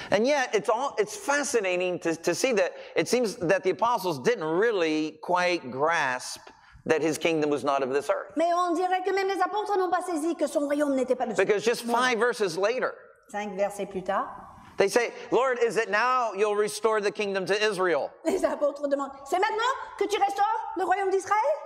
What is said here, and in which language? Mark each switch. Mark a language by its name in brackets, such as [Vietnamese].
[English] And yet, it's fascinating to see that it seems that the apostles didn't really quite grasp that his kingdom was not of this earth. [French] Mais on dirait que même les apôtres n'ont pas saisi que son royaume n'était pas de ce monde. [English] Because just five verses later, [French] cinq versets plus tard, [English] they say, "Lord, is it now you'll restore the kingdom to Israel?" [French] Les apôtres demandent, c'est maintenant que tu restaures le royaume d'Israël?